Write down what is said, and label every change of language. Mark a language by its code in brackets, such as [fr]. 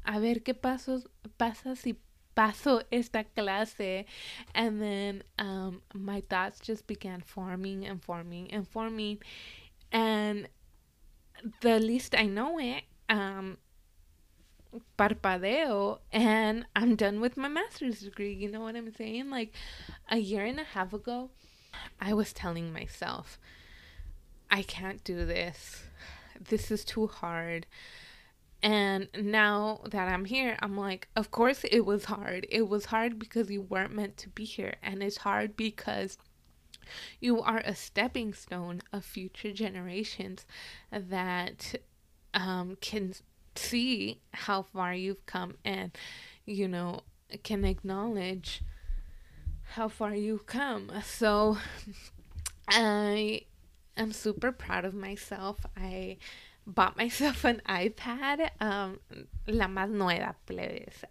[es] A ver qué pasa si paso esta clase. [en] And then my thoughts just began forming and forming and forming. And the least I know it, [es] parpadeo [en] and I'm done with my master's degree. You know what I'm saying? Like a year and a half ago, I was telling myself, I can't do this. This is too hard. And now that I'm here, I'm like, of course it was hard. It was hard because you weren't meant to be here. And it's hard because you are a stepping stone of future generations that can see how far you've come and, you know, can acknowledge how far you've come. So I am super proud of myself. I bought myself an iPad, [es] la más nueva, [en] plebes.